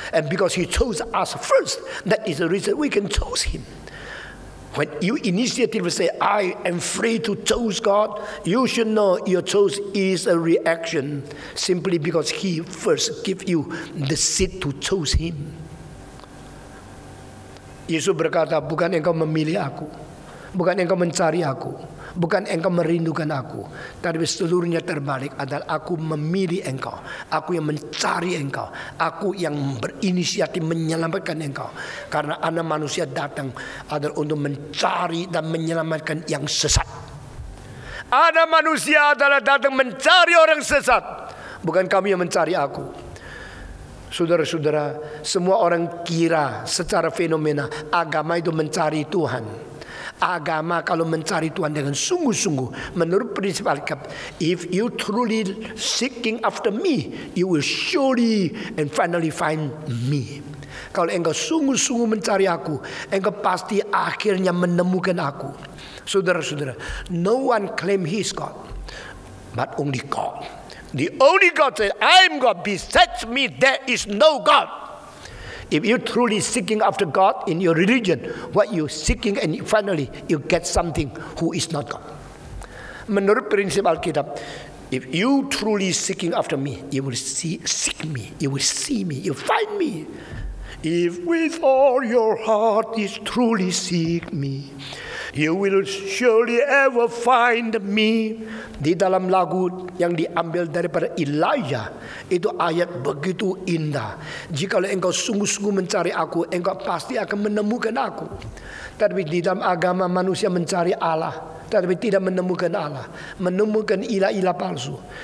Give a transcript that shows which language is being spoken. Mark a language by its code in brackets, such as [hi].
[en] And because he chose us first, that is the reason we can choose him. When you initiative say, "I am free to choose God," you should know your choice is a reaction simply because he first give you the seed to choose him. [id] Yesus berkata, "Bukan engkau memilih aku, bukan engkau mencari aku, bukan engkau merindukan aku, tapi seluruhnya terbalik adalah aku memilih engkau, aku yang mencari engkau, aku yang berinisiatif menyelamatkan engkau." Karena anak manusia datang adalah untuk mencari dan menyelamatkan yang sesat. Anak manusia adalah datang mencari orang sesat, bukan kamu yang mencari aku. Saudara-saudara, semua orang kira secara fenomena agama itu mencari Tuhan. Agama kalau mencari Tuhan dengan sungguh-sungguh, menurut prinsip Alkitab, [en] "If you truly seeking after me, you will surely and finally find me." [id] Kalau engkau sungguh-sungguh mencari aku, engkau pasti akhirnya menemukan aku. [en] Saudara-saudara, no one claim he is God, but only God. The only God said, "I am God, besides me there is no God." If you truly seeking after God in your religion, what you seeking and finally you get something who is not God. [id] Menurut prinsip Alkitab, [en] if you truly seeking after me, you will seek me, you will see me, you find me. If with all your heart is truly seek me, you will surely ever find me. [id] Di dalam lagu yang diambil daripada Elijah, itu ayat begitu indah. "Jikalau engkau sungguh-sungguh mencari aku, engkau pasti akan menemukan aku." Tetapi di dalam agama manusia mencari Allah, tetapi tidak menemukan Allah. Menemukan ilah-ilah palsu.